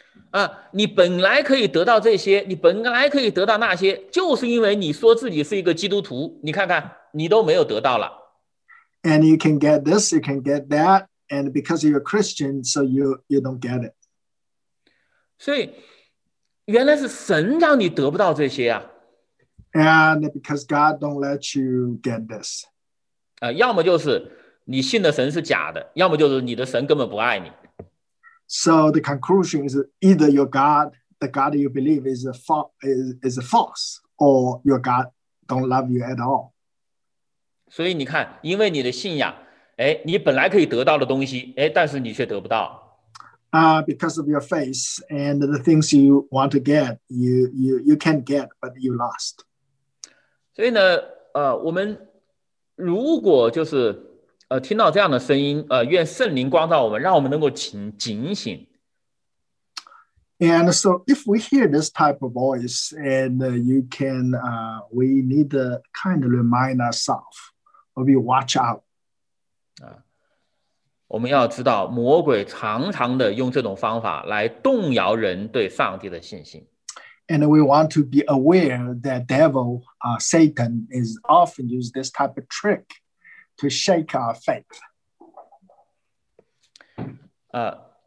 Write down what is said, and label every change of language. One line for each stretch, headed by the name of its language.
Chinese: 啊，你本来可以得到这些，你本来可以得到那些，就是因为你说自己是一个基督徒，你看看，你都没有得到了。
English: And you can get this, you can get that, and because you're a Christian, so you don't get it.
Chinese: 所以。原来是神让你得不到这些啊。
English: And because God don't let you get this.
Chinese: 要么就是你信的神是假的，要么就是你的神根本不爱你。
English: So the conclusion is either your God, the God you believe is a false, or your God don't love you at all.
Chinese: 所以你看，因为你的信仰，哎，你本来可以得到的东西，哎，但是你却得不到。
English: Because of your faith and the things you want to get, you can get, but you lost.
Chinese: 所以呢，我们如果就是听到这样的声音，愿圣灵光照我们，让我们能够警醒。
English: And so, if we hear this type of voice, and you can, we need to kind of remind ourselves, or we watch out.
Chinese: 我们要知道，魔鬼常常的用这种方法来动摇人对上帝的信心。
English: And we want to be aware that devil, Satan, is often use this type of trick to shake our faith.